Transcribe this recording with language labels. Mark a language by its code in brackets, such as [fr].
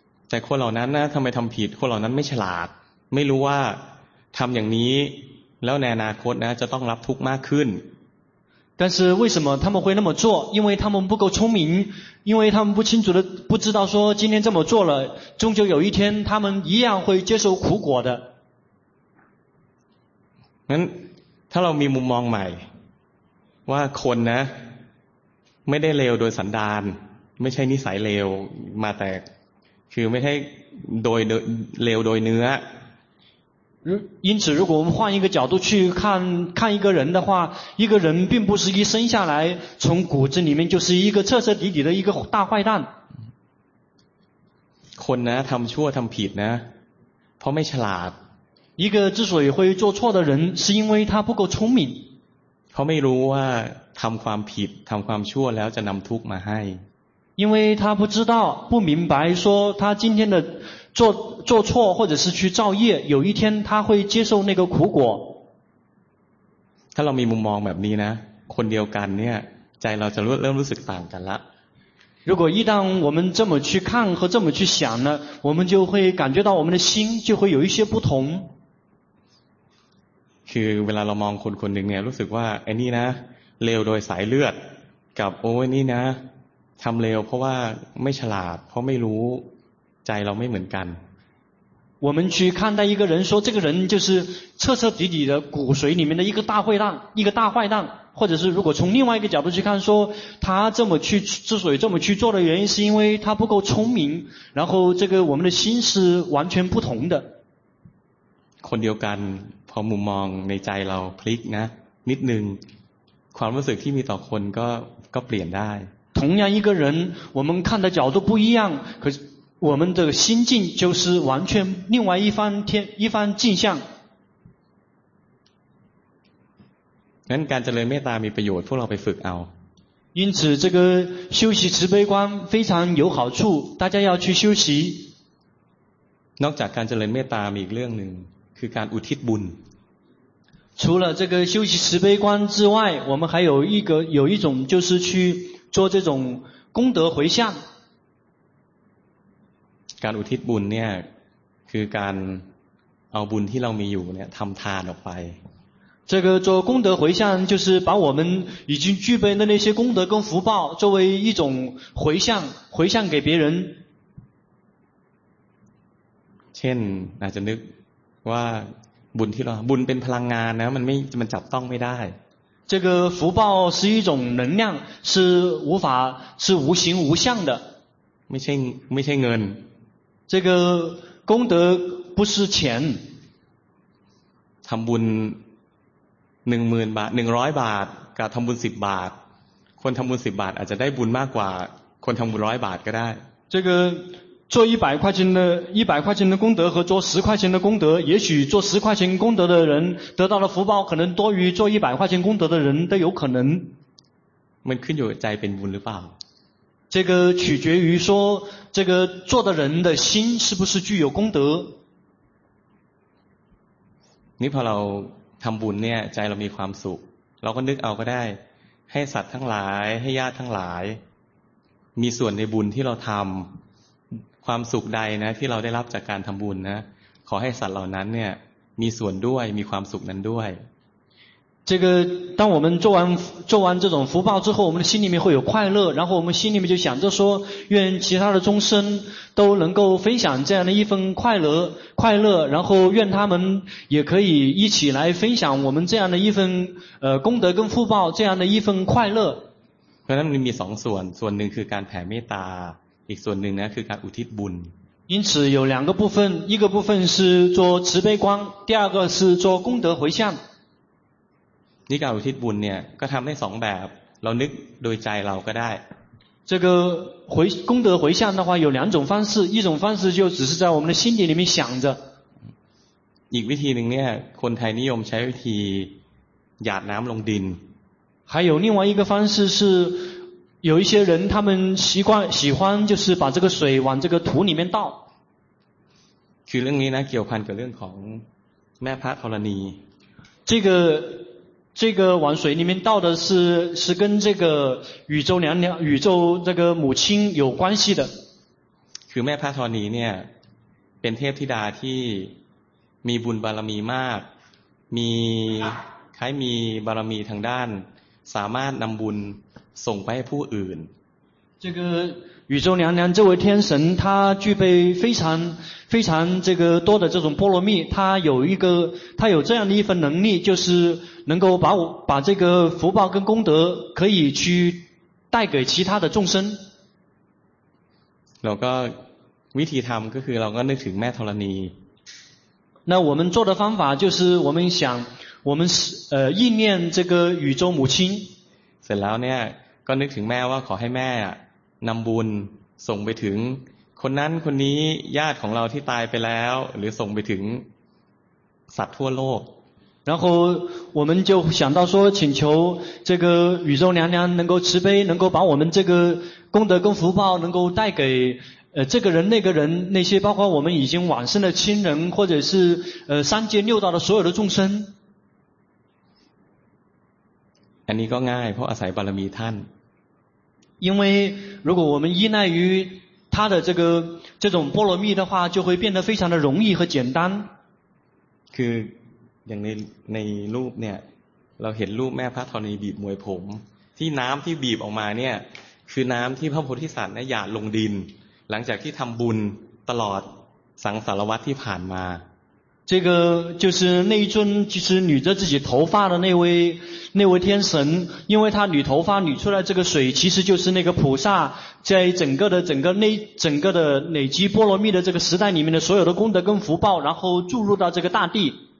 [th] แต่คนเหล่านั้นนะทําไมทําผิดคนเหล่านั้นไม่ฉลาดไม่รู้ว่าทําอย่างนี้แล้วในอนาคตนะจะต้องรับทุกข์มากขึ้น [zh] 但是为什么他们会那么做因为他们不够聪明因为他们不清楚的不知道说今天这么做了终究有一天他们一样会接受苦果的 [th] งั้นถ้าเรามีมุมมองใหม่ว่าคนนะไม่ได้เลวโดยสันดานไม่ใช่นิสัยเลวมาแต่ คือไม่ใช่โดยเร็วโดยเนื้ [zh] อ因此如果我们换一个角度去看看一个人的话一个人并不是一生下来从骨子里面就是一个彻彻底底的一个大坏蛋 [th] คนนะทำชั่วทำผิดนะเพราะไม่ฉลาด [zh] 一个之所以会做错的人是因为他不够聪明 [th] เขาไม่รู้ว่าทำความผิดทำความชั่วแล้วจะนำทุกข์มาให้ [zh] 因为他不知道不明白说他今天的做错或者是去造业有一天他会接受那个苦果 [th] ถ้าเรามีมุมมองแบบนี้นะคนเดียวกันเนี่ยใจเราจะเริ่มรู้สึกต่างกันละ [zh] 如果一旦我们这么去看和这么去想呢我们就会感觉到我们的心就会有一些不同 [th] คือเวลาเรามองคนคนหนึ่งเนี่ยรู้สึกว่าไอ้นี่นะเลวโดยสายเลือดกับโอ้นี่นะทำเลวเพราะว่าไม่ฉลาดเพราะไม่รู้ใจเราไม่เหมือนกัน [zh] 我们去看待一个人说这个人就是彻彻底底的骨髓里面的一个大坏蛋一个大坏蛋或者是如果从另外一个角度去看说他这么去之所以这么去做的原因是因为他不够聪明然后这个我们的心是完全不同的 [th] คนเดียวกันพอมุมมองในใจเราพลิกนะนิดนึงความรู้สึกที่มีต่อคนก็เปลี่ยนได้ [zh] 同样一个人我们看的角度不一样可是我们的心境就是完全另外一番天一番镜像 [th] งั้นการเจริญเมตตามีประโยชน์พวกเราไปฝึกเอา [zh] 因此这个修习慈悲观非常有好处大家要去修习 [th] นอกจากการเจริญเมตตามีอีกเรื่องหนึ่งคือการอุทิศบุญ [zh] 除了这个修习慈悲观之外我们还有一个有一种就是去做这种功德回向 [th] การอุทิศบุญเนี่ยคือการเอาบุญที่เรามีอยู่เนี่ยทำทานออกไป [zh] 这个做功德回向就是把我们已经具备的那些功德跟福报作为一种回向给别人 [th] เช่นอาจจะนึกว่าบุญที่เราบุญเป็นพลังงานนะมันจับต้องไม่ได้ [zh] 这个福报是一种能量，是无法，是无形无相的。 [th] ไม่ใช่เงิน。 [zh] 这个功德不是钱。 [th] ทำบุญ100 บาทกับทำบุญ10 บาทคนทำบุญ10 บาทอาจจะได้บุญมากกว่าคนทำบุญ100 บาทก็ได้。 [zh] 这个做100块钱的功德和做10块钱的功德，也许做10块钱功德的人得到的福报可能多于做100块钱功德的人都有可能。 [th] มันขึ้นอยู่ใจเป็นบุญหรือเปล่า？ [zh] 这个取决于说这个做的人的心是不是具有功德。 [th] นี่พอเราทำบุญเนี่ยใจเรามีความสุขเราก็นึกเอาก็ได้ให้สัตว์ทั้งหลายให้ญาติทั้งหลายมีส่วนในบุญที่เราทำความสุขใดนะที่เราได้รับจากการทำบุญนะขอให้สัตว์เหล่านั้นเนี่ยมีส่วนด้วยมีความสุขนั้นด้วย [zh] 这个当我们做完这种福报之后我们的心里面会有快乐然后我们心里面就想着说愿其他的众生都能够分享这样的一份快乐然后愿他们也可以一起来分享我们这样的一份功德跟福报这样的一份快乐 [th] เพราะฉะนั้นมี2 ส่วนส่วนหนึ่งคือการแผ่เมตตาอีกส่วนหนึ่งนะคือการอุทิศบุญ [zh] 因此有两个部分一个部分是做慈悲观第二个是做功德回向 [th] นี่การอุทิศบุญเนี่ยก็ทำได้2 แบบเรานึกโดยใจเราก็ได้ [zh] 这个回功德回向的话有两种方式一种方式就只是在我们的心底里面想着 [th] อีกวิธีหนึ่งเนี่ยคนไทยนิยมใช้วิธีหยาดน้ำลงดิน [zh] 还有另外一个方式是有一些人他们喜欢就是把这个水往这个土里面倒 [th] คือเรื่องนี้นะเกี่ยวพันกับเรื่องของแม่พระธรณี [zh] 这个往水里面倒的是跟这个宇宙娘娘宇宙这个母亲有关系的 [th] คือแม่พระธรณีเนี่ยเป็นเทพธิดาที่มีบุญบารมีมากมีคล้ายมีบารมีทางด้านสามารถนำบุญส่งไปให้ผู้อื่น [zh] 这个宇宙娘娘这位天神她具备非常非常这个多的这种波罗蜜她有这样的一份能力就是能够把这个福报跟功德可以去带给其他的众生 [th] แล้วก็ วิธีทำก็คือเราก็นึกถึงแม่ธรณี [zh] 那我们做的方法就是我们想我们意念这个宇宙母亲 [th] เสร็จแล้วเนี่ยก็นึกถึงแม่ว่าขอให้แม่นำบุญส่งไปถึงคนนั้นคนนี้ญาติของเราที่ตายไปแล้วหรือส่งไปถึงสัตว์ทั่วโลก [zh] 然后我们就想到说请求这个宇宙娘娘能够慈悲能够把我们这个功德跟福报能够带给这个人那个人那些包括我们已经往生的亲人或者是三界六道的所有的众生 [th] อันนี้ก็ง่ายเพราะอาศัยบารมีท่าน [zh] 因为如果我们依赖于他的这个这种波罗蜜的话就会变得非常的容易和简单 [th] คืออย่างในรูปเนี่ยเราเห็นรูปแม่พระธรณีบีบมวยผมที่น้ำที่บีบออกมาเนี่ยคือน้ำที่พระโพธิสัตว์เนี่ยหยาดลงดินหลังจากที่ทำบุญตลอดสังสารวัฏที่ผ่านมา [zh] 这个就是那一尊其实捋着自己头发的那位天神因为他捋头发捋出来这个水其实就是那个菩萨在整个的累积波罗蜜的这个时代里面的所有的功德跟福报然后注入到这个大地